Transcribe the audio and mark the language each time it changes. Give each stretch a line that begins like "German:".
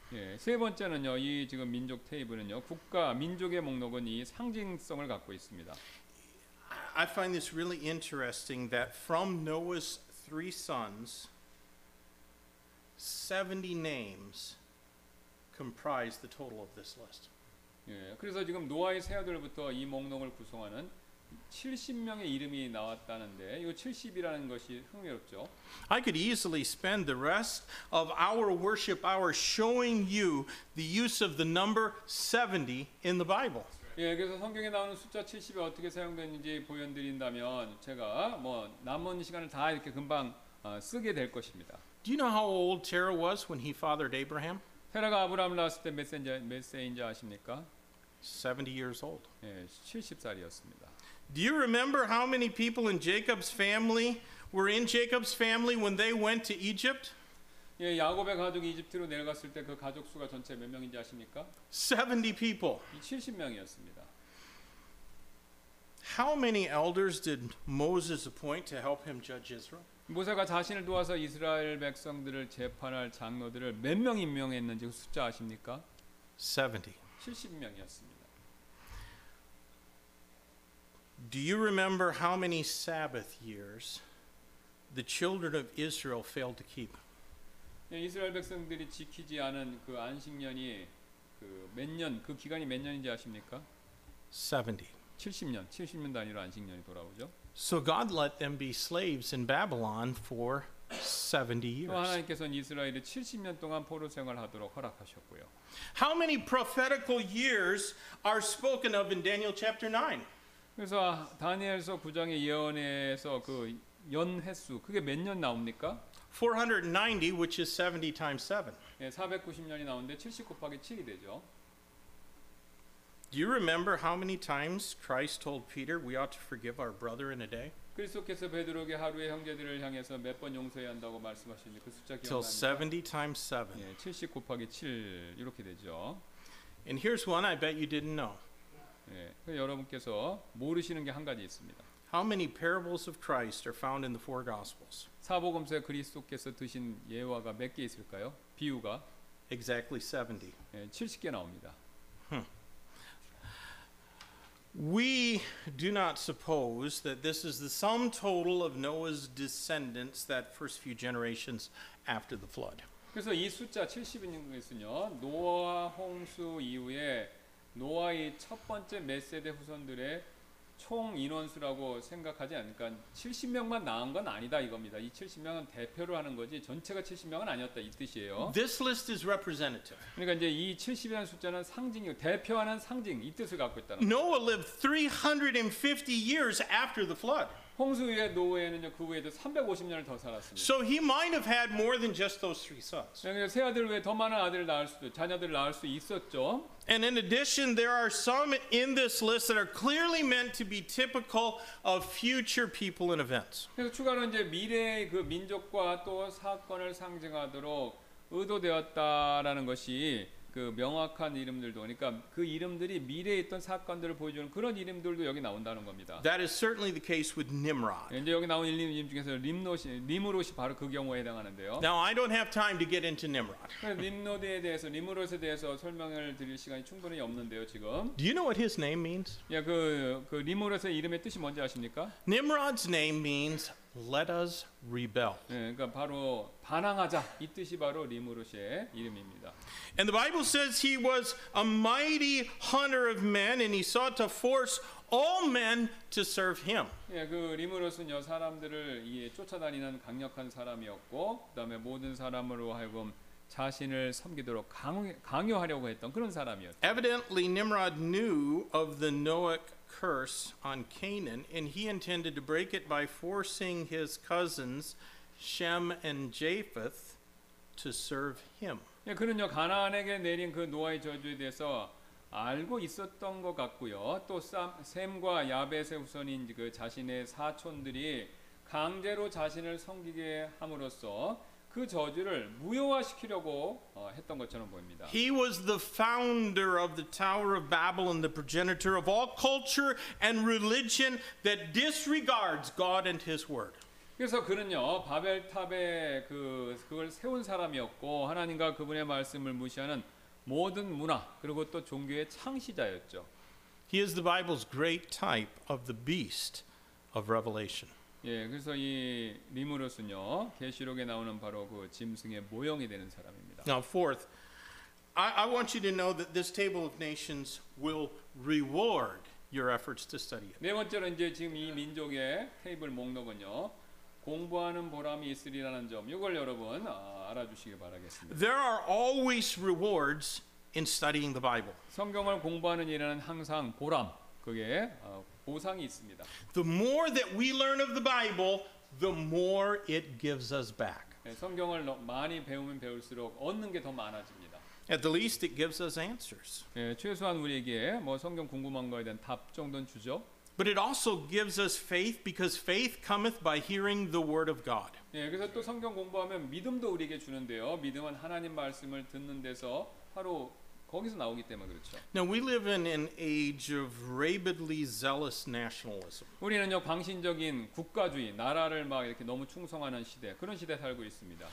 Korean: 예, 세 번째는요. 이 지금 민족 테이블은요. 국가, 민족의 목록은 이 상징성을 갖고 있습니다.
English: I find this really interesting that from Noah's three sons, 70 names comprise the total of this list.
Korean: 예, 그래서 지금 노아의 세 아들부터 이 목록을 구성하는 70명의 이름이 나왔다는데 이 70이라는 것이 흥미롭죠.
English: I could easily spend the rest of our worship hour showing you the use of the number 70 in the Bible.
Korean: 예, 그래서 성경에 나오는 숫자 70이 어떻게 사용되는지 보여드린다면 제가 뭐 남은 시간을 다 이렇게 금방 쓰게 될 것입니다.
English: Do you know how old Terah was when he fathered Abraham?
Korean: 테라가 아브라함을 낳았을 때 몇 세인지 아십니까?
English: 70 years old.
Korean: 예, 70살이었습니다.
English: Do you remember how many people in Jacob's family were in Jacob's family when they went to Egypt?
Korean: 예, 야곱의 가족이 이집트로 내려갔을 때 그 가족 수가 전체 몇 명인지 아십니까?
English: 70 people.
Korean: 70명이었습니다.
English: How many elders did Moses appoint to help him judge Israel?
Korean: 모세가 자신을 도와서 이스라엘 백성들을 재판할 장로들을 몇 명 임명했는지 숫자 아십니까?
English: 70.
Korean: 70명이었습니다.
English: Do you remember how many Sabbath years the children of Israel failed to keep?
Korean: 이스라엘 백성들이 지키지 않은 그 안식년이 그 몇 년, 그 기간이 몇 년인지 아십니까?
English: 70.
Korean: 70년, 70년 단위로 안식년이 돌아오죠.
English: So God let them be slaves in Babylon for 70 years.
Korean: 하나님께서는 이스라엘을 70년 동안 포로 생활하도록 허락하셨고요.
English: How many prophetical years are spoken of in Daniel chapter 9?
Korean: 그래서 다니엘서 9장의 예언에서 그 연 횟수 그게 몇 년 나옵니까?
English: 490, which is 70 times 7.
Korean: 예, 490년이 나오는데 70 곱하기 7이 되죠.
English: Do you remember how many times Christ told Peter we ought to forgive our brother in a day?
Korean: 그리스도께서 베드로에게 하루에 형제들을 향해서 몇 번 용서해야 한다고 말씀하셨는지 그 숫자 기억나요?
English: Till 70 times 7.
Korean: 예, 70 곱하기 7 이렇게 되죠.
English: And here's one I bet you didn't know.
Korean: 예, 여러분께서 모르시는 게 한 가지 있습니다.
English: How many parables of Christ are found in the four gospels?
Korean: 사복음서에 그리스도께서 드신 예화가 몇 개 있을까요? 비유가?
English: Exactly 70.
Korean: 예, 70개 나옵니다.
English: We do not suppose that this is the sum total of Noah's descendants that first few generations after the flood.
Korean: 그래서 이 숫자 70인 것은요. 노아 홍수 이후에 노아의 첫 번째 몇 세대 후손들의 총 인원수라고 생각하지 않으니까 70명만 나온 건 아니다 이겁니다. 이 70명은 대표로 하는 거지 전체가 70명은 아니었다 이 뜻이에요.
English: This list is representative.
Korean: 그러니까 이제 이 70이라는 숫자는 상징이고 대표하는 상징 이 뜻을 갖고 있다는 거예요.
English: Noah lived 350 years after the flood.
Korean: 홍수 후에 노아는 그 후에도 350년을 더 살았습니다.
English: So he might have had more than just those three sons.
Korean: 그러니까 세 아들 외에 더 많은 아들을 낳을 수도 자녀들을 낳을 수 있었죠.
English: And in addition, there are some in this list that are clearly meant to be typical of future people and events.
Korean: 그래서 추가로 이제 미래의 그 민족과 또 사건을 상징하도록 의도되었다라는 것이 그 명확한 이름들도 그러니까 그 이름들이 미래에 있던 사건들을 보여주는 그런 이름들도 여기 나온다는 겁니다.
English: That is certainly the case with Nimrod.
Korean: 이제 여기 나온 이름 중에서 림롯이 님롯이 바로 그 경우에 해당하는데요.
English: Now I don't have time to get into Nimrod.
Korean: 님롯에 대해서 님롯에 대해서 설명을 드릴 시간이 충분히 없는데요, 지금.
English: Do you know what his name means?
Korean: 예, 그 님롯의 이름의 뜻이 뭔지 아십니까?
English: Nimrod's name means let us rebel.
Korean: 예, 그러니까 바로 반항하자 이 뜻이 바로 님롯의 이름입니다.
English: And the Bible says he was a mighty hunter of men and he sought to force all men to serve him.
Korean: 예, 그 님롯은요 사람들을 이에 쫓아다니는 강력한 사람이었고 그다음에 모든 사람으로 하여금 자신을 섬기도록 강요하려고 했던 그런 사람이었죠.
English: Evidently Nimrod knew of the Noah curse on Canaan and he intended to break it by forcing his cousins Shem and Japheth to serve him.
Korean: 예, 그는요 가나안에게 내린 그 노아의 저주에 대해서 알고 있었던 것 같고요. 또 샘과 야벳의 후손인 그 자신의 사촌들이 강제로 자신을 섬기게 함으로써 그 저주를 무효화시키려고 했던 것처럼 보입니다.
English: He was the founder of the Tower of Babel and the progenitor of all culture and religion that disregards God and His word.
Korean: 그래서 그는요 바벨탑의 그걸 세운 사람이었고 하나님과 그분의 말씀을 무시하는 모든 문화 그리고 또 종교의 창시자였죠.
English: He is the Bible's great type of the beast of Revelation.
Korean: 예, 그래서 이 님롯은요 계시록에 나오는 바로 그 짐승의 모형이 되는 사람입니다.
English: Now fourth, I want you to know that this table of nations will reward your efforts to study it.
Korean: 네 번째로 이제 지금 이 민족의 테이블 목록은요 공부하는 보람이 있으리라는 점, 이걸 여러분 알아주시기 바라겠습니다.
English: There are always rewards in studying the Bible.
Korean: 성경을 공부하는 일에는 항상 보람, 그게 보상이 있습니다.
English: The more that we learn of the Bible, the more it gives us back.
Korean: 성경을 많이 배우면 배울수록 얻는 게 더 많아집니다.
English: At the least, it gives us answers.
Korean: 최소한 우리에게 뭐 성경 궁금한 거에 대한 답 정도는 주죠.
English: But it also gives us faith because faith cometh by hearing the word of God.
Korean: 예, 그래서 또 성경 공부하면 믿음도 우리에게 주는데요. 믿음은 하나님 말씀을 듣는 데서 바로 거기서 나오기 때문에 그렇죠.
English: Now we live in an age of rabidly zealous nationalism.
Korean: 우리는요 광신적인 국가주의, 나라를 막 이렇게 너무 충성하는 시대, 그런 시대 살고 있습니다.